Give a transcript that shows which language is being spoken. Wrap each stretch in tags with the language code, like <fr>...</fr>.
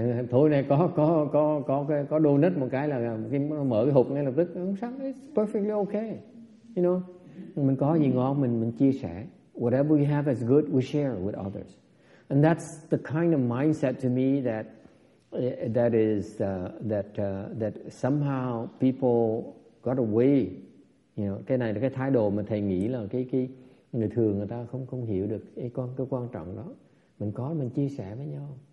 <vi>Thôi này có đồ nứt một cái là khi mở cái hộp ngay lập tức ăn sáng,</vi> <en>it's perfectly okay, you know.</en> <vi>Mình có gì ngon mình chia sẻ.</vi> <en>Whatever we have is good, we share with others. And that's the kind of mindset to me that somehow people got away, you know.</en> <vi>Cái này là cái thái độ mà thầy nghĩ là cái người thường người ta không hiểu được cái quan trọng đó. Mình có mình chia sẻ với nhau.</vi>